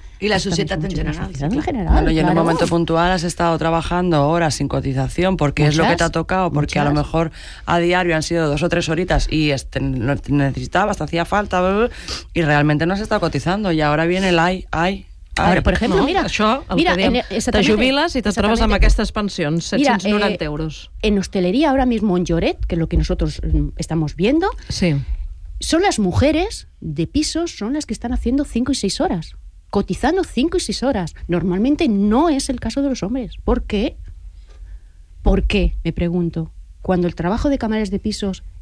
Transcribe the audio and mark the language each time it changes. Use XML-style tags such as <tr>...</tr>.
<es>Y la sociedad en general. En general, bueno, y en un momento puntual has estado trabajando horas sin cotización, porque es lo que te ha tocado, porque a lo mejor a diario han sido 2 o 3 horitas y necesitabas, te hacía falta, y realmente no has estado cotizando, y ahora viene el ay. Ahora, por ejemplo, no, mira,</es> <ca>això, mira,</ca> <es>te jubiles y</es> <ca>te trobes amb aquestes pensions, 790 euros.</ca> <es>En hostelería ahora mismo en Lloret, que es lo que nosotros estamos viendo, sí, son las mujeres de pisos, son las que están haciendo 5 y 6 horas. Cotizando 5 y 6 horas. Normalmente no es el caso de los hombres. ¿Por qué? ¿Por qué? Me pregunto. Cuando el trabajo de camareros de pisos</es>